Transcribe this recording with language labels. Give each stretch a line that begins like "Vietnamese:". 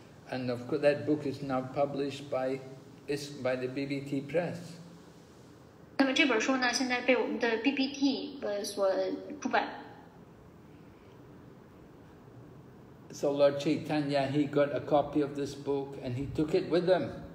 English: And of course, that book is now published by, the BBT Press.
Chinese: 那么这本书呢，现在被我们的 BBT 所出版。
English: So Lord Chaitanya, he got a copy of this book and he took it with him.